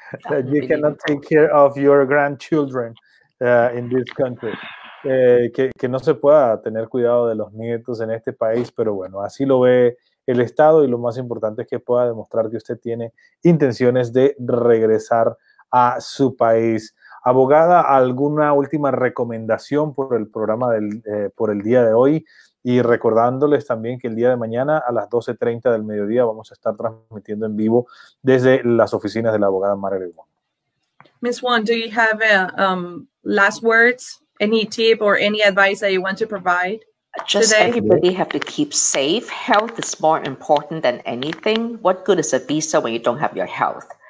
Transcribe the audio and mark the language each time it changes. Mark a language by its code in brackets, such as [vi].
[en] That you cannot take care of your grandchildren in this country. [es] Que no se pueda tener cuidado de los nietos en este país, pero bueno, así lo ve el Estado, y lo más importante es que pueda demostrar que usted tiene intenciones de regresar a su país. Abogada, ¿alguna última recomendación por el programa por el día de hoy? Y recordándoles también que el día de mañana a las 12:30 del mediodía vamos a estar transmitiendo en vivo desde las oficinas de la abogada Mara Leguán. [en] Ms. Juan, do you have last words, any tip or any advice that you want to provide? Just today? Everybody have to keep safe. Health is more important than anything. What good is a visa when you don't have your health?